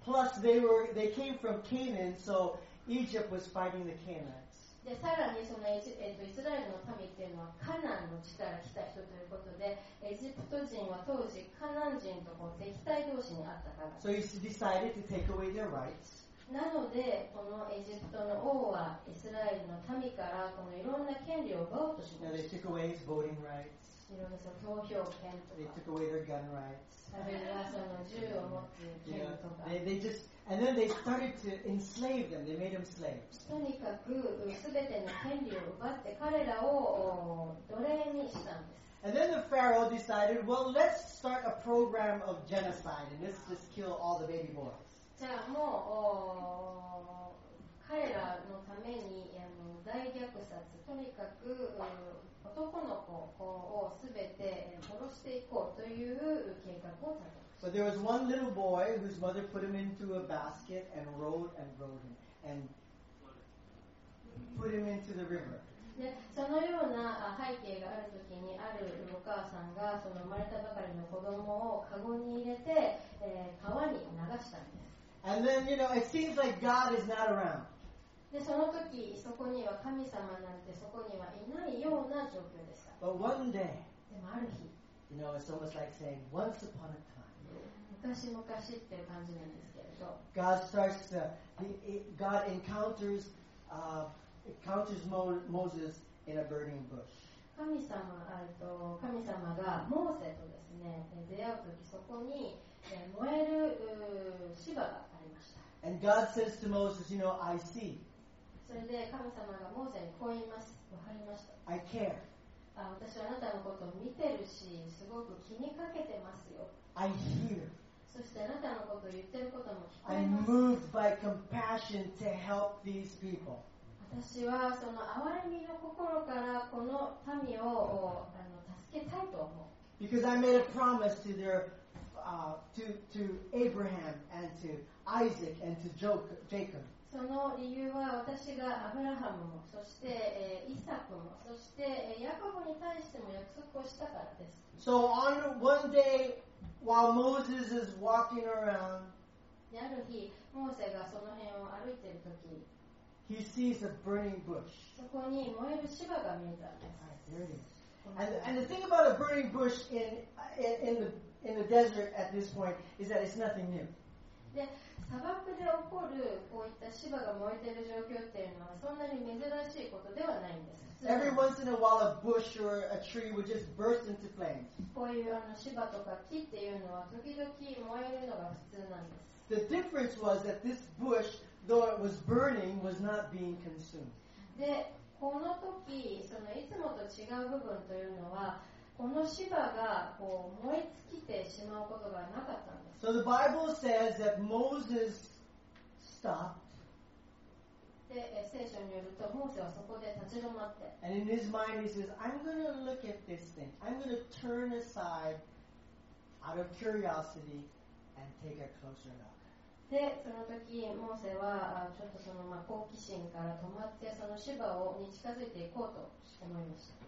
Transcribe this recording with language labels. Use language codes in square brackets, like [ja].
[en] Plus they came from Canaan, so Egypt was fighting the Canaanites. [ja] でさらにそのイスラエルの民っていうのはカナンの地から来た人ということで、エジプト人は当時カナン人とこう敵対同士にあったから。 [en] So he decided to take away their rights. [ja] なのでこのエジプトの王はイスラエルの民からこのいろんな権利を奪おうとしました。 [en] They took away his voting rights. [ja] いろんな投票権とか。 [en] They took away their gun rights. [ja] あるいはその銃を持つ権利とか。 [en] Yeah. They just and then they started to enslave them. They made them slaves. [ja] とにかくすべての権利を奪って彼らを奴隷にしたんです。 [en] And then the Pharaoh decided, well, let's start a program of genocide and let's just kill all the baby boys. [ja] じゃあもう彼らのために大虐殺、とにかく男の子をすべて殺していこうという計画を立てました。 [en] But there was one little boy whose mother put him into a basket and rode and rode him and put him into the river. [ja] でそのような背景があるときにあるお母さんがその生まれたばかりの子供をカゴに入れて、川に流したんです。 [en] And then, you know, it seems like God is not around. [ja] で、その時、そこには神様なんてそこにはいないような状況でした。 [en] But one day, [ja] でもある日、 [en] you know, it's almost like saying, once upon a time, [ja] 昔々っていう感じなんですけれど、 [en] God starts to, God encounters, encounters Moses in a burning bush. [ja] 神様がモーセとですね、出会うときそこに燃える芝がありました。 [en] And God says to Moses, you know, I see. [ja] それで神様がモーセにこう言います。わかりました。 [en] I care. [ja] あ、私はあなたのことを見てるし、すごく気にかけてますよ。 [en] I hear. [ja] そしてあなたのことを言ってることも聞こえます。 [en] I'm moved by compassion to help these people. [ja] 私はその憐れみの心からこの民を助けたいと思う。 [en] Because I made a promise to their, to Abraham and to Isaac and to Jacob. [ja] その理由は私がアブラハムも、そしてイサクも、そしてヤコブに対しても約束をしたからです。 [en] So on one day, while Moses is walking around, [ja] ある日、モーセがその辺を歩いているとき、 [en] He sees a burning bush. [ja] そこに燃える芝が見えたんです。 [en] Right, there it is. And the thing about a burning bush in the desert at this point is that it's nothing new. [ja] で、砂漠で起こるこういった芝が燃えている状況っていうのはそんなに珍しいことではないんです。 [en] Every once in a while, a bush or a tree would just burst into flames. [ja] こういう芝とか木っていうのは時々燃えるのが普通なんです。 [en] The difference was that this bush. Though it was burning, was not being consumed. [ja] で、この時、そのいつもと違う部分というのは、この芝がこう燃え尽きてしまうことがなかったんです。 [en] So the Bible says that Moses stopped. [ja] で、聖書によると、モーセはそこで立ち止まって。 [en] And in his mind, he says, I'm going to look at this thing. I'm going to turn aside out of curiosity and take a closer look. [ja] でその時モーセはちょっとその好奇心から止まってその芝をに近づいていこうと思いました。